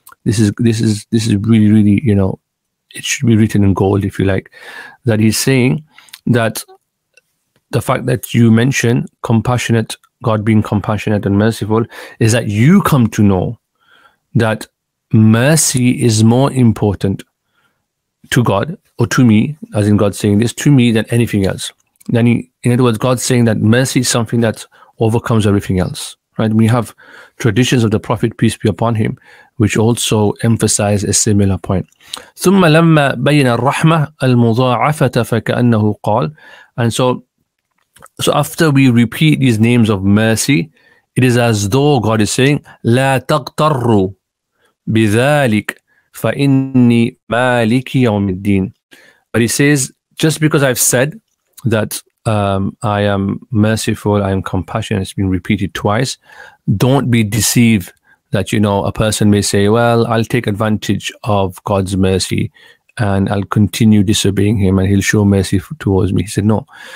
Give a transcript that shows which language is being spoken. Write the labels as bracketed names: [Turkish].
[English] This is really, really, you know, it should be written in gold, if you like, that he's saying that the fact that you mention compassionate, God being compassionate and merciful, is that you come to know that mercy is more important to God, or to me, as in God saying this, to me, than anything else. Then, in other words, God saying that mercy is something that overcomes everything else, right? We have traditions of the Prophet, peace be upon him, which also emphasize a similar point. [Arabic] ثم لما بين الرحمة المضاعفة فكأنه قال. [English] And so after we repeat these names of mercy, it is as though God is saying, [Arabic] لا تقتروا بذلك فإني مالك يوم الدين. [English] But he says, just because I've said that I am merciful, I am compassionate, it's been repeated twice, don't be deceived that, you know, a person may say, well, I'll take advantage of God's mercy and I'll continue disobeying him and he'll show mercy towards me. He said, no.